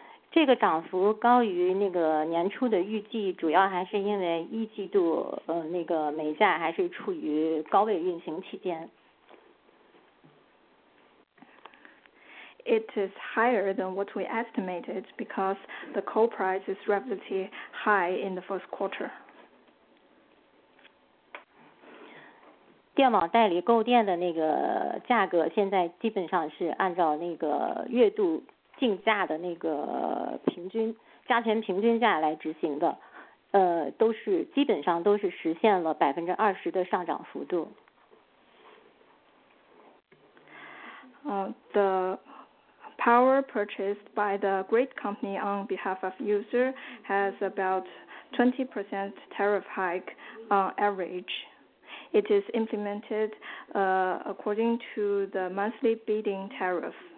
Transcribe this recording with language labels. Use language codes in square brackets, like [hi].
[zh] 这个涨幅高于那个年初的预计，主要还是因为一季度那个煤价还是处于高位运行期间。 [en] It is higher than what we estimated because the coal price is relatively high in the first quarter. [zh] 电网代理购电的那个价格现在基本上是按照那个月度竞价的那个平均加权平均价来执行的，都是基本上都是实现了20%的上涨幅度。 [en] The power purchased by the great company on behalf of user has about 20% tariff hike on average. It is implemented according to the monthly bidding tariff.